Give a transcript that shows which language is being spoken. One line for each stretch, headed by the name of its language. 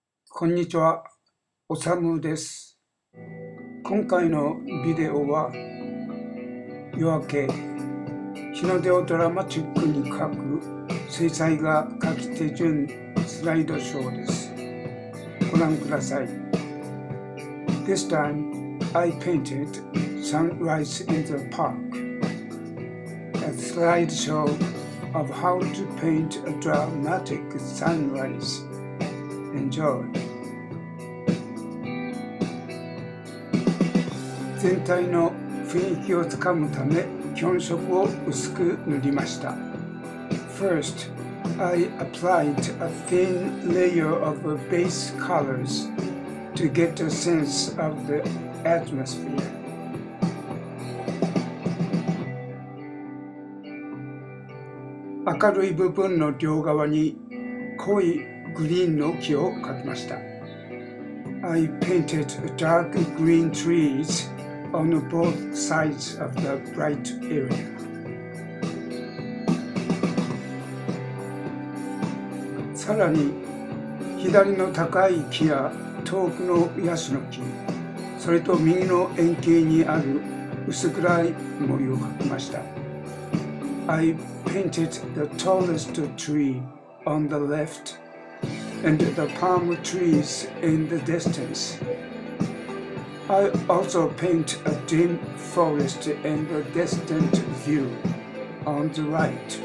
Japanese: こんにちは、おさむです。今回のビデオは、夜明け、日の出をドラマチックに描く水彩画描き手順スライドショーです。ご覧ください。
English: This time, I painted sunrise in the park. A slide show of how to paint a dramatic sunrise. Enjoy.
Japanese: 全体の雰囲気をつかむため、基本色を薄く塗りました。
English: First, I applied a thin layer of base colors to get a sense of the atmosphere.
Japanese: 明るい部分の両側に濃いグリーンの木を描きました。
English: I painted dark green trees. On both sides of the bright area.
Japanese: 左の高い木や遠くのヤシの木、それと右の円形にある薄暗い森を描きました。
English: I painted the tallest tree on the left and the palm trees in the distance. I also paint a dim forest and a distant view on the right.